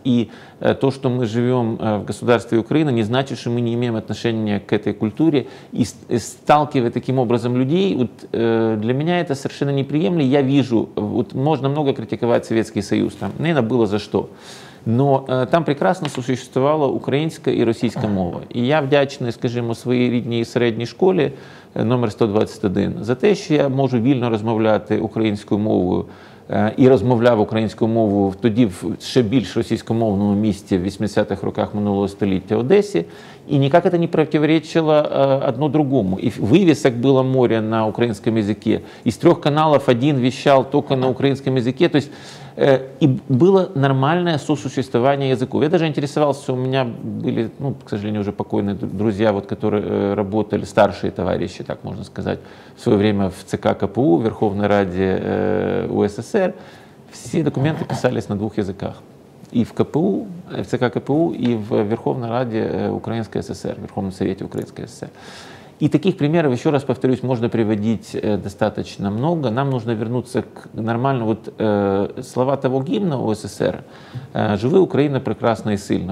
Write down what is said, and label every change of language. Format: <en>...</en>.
<ru>И то, что мы живем в государстве Украины, не значит, что мы не имеем отношения к этой культуре. И сталкивая таким образом людей, вот, для меня это совершенно неприемлемо. Я вижу, вот, можно много критиковать Советский Союз, там, наверное, было за что. Но там прекрасно существовала украинская и российская мова. И я вдячный, скажем, своей рідній средней школе номер 121 за то, что я могу</ru> <uk>вільно розмовляти українською мовою. І розмовляв українською мовою тоді в ще більш російськомовному місті в 80-х роках минулого століття Одесі. І ніяк це не противоречило одно другому. І вивісок було море на українському язикі. Із трьох каналів один віщав тільки на українському язикі. Тобто, і було нормальне сосуществування язиків. Я навіть цікавився, у мене були, ну,</uk> <ru>к сожалению,</ru> <uk>вже покійні друзі, от, які працювали, старші товариші, так можна сказати, в своє время в ЦК КПУ, в Верховній Раді УССР. Всі документи писались на двох язиках.</uk> <ru>И в КПУ, в ЦК КПУ, и в Верховной Раде Украинской ССР, в Верховном Совете Украинской ССР. И таких примеров, еще раз повторюсь, можно приводить достаточно много. Нам нужно вернуться к нормальному. Вот слова того гимна у СССР «Живи Украина прекрасна и сильна».</ru>